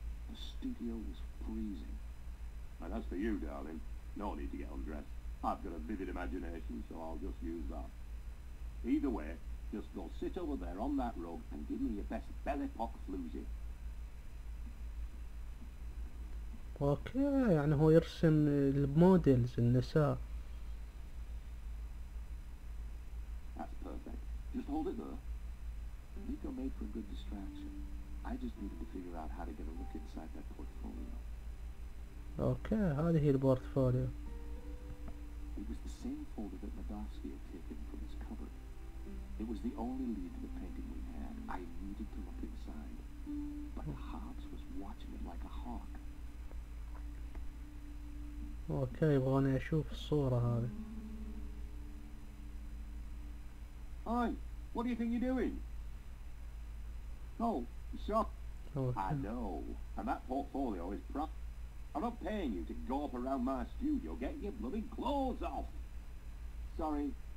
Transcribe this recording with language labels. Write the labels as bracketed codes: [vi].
[en] The studio was freezing. And as for you darling, no need to get undressed. I've got a vivid imagination so I'll just use that. Either way, just go sit over there on that rug and give me your best Belle Epoque floozy. [ar] اوكي يعني هو يرسم الموديلز النساء. [en] That's perfect. Just hold it there. Nico made for a good distraction. I just needed to figure out how to get a look inside that portfolio. [ar] اوكي هذه هي البورتفوليو. [en] It was the same folder that Madovsky had taken from his cupboard. It was the only lead to the painting we had. I needed to look inside. But Hobbs was watching it like a hawk. [ar] اوكي يبغوني اشوف الصورة هذي. [en] Hi, what do you think you're doing? Oh, shop. Okay. I know. And that portfolio is prop. I'm not paying you to go up around my studio. Get your bloody clothes off. Sorry.